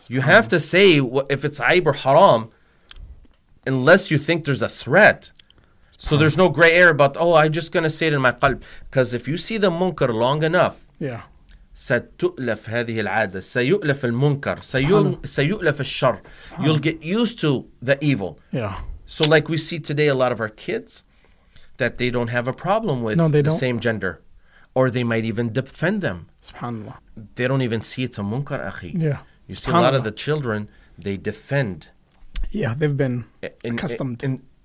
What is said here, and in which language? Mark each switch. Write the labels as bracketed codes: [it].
[en] you have to say if it's aib or haram, unless you think there's a threat. So there's no gray air about, "Oh, I'm just going to say it in my qalb." Because if you see the munkar long enough, [ar] ستؤلف هذه العادة سيؤلف المنكر سيؤلف الشر. [en] You'll get used to the evil. Yeah. So like we see today a lot of our kids that they don't have a problem with same gender. Or they might even defend them. SubhanAllah. They don't even see it's a munkar, akhi. Yeah. You see a lot of the children, they defend. Yeah, they've been accustomed.